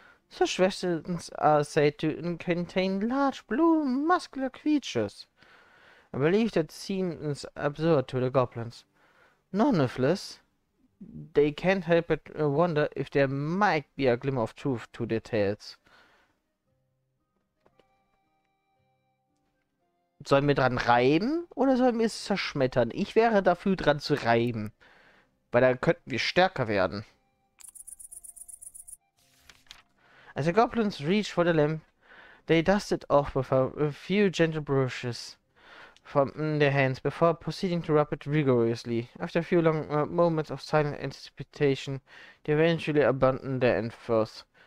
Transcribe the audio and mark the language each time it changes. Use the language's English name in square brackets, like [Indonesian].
[English] Such vessels are said to contain large blue muscular creatures. A belief that seems absurd to the goblins. Nonetheless, they can't help but wonder if there might be a glimmer of truth to the tales. [German] Sollen wir dran reiben oder sollen wir es zerschmettern? Ich wäre dafür dran zu reiben, weil dann könnten wir stärker werden. [English] As the goblins reached for the lamp, they dusted off with a few gentle brushes from their hands before proceeding to rub it rigorously. After a few long moments of silent anticipation, they eventually abandoned their efforts.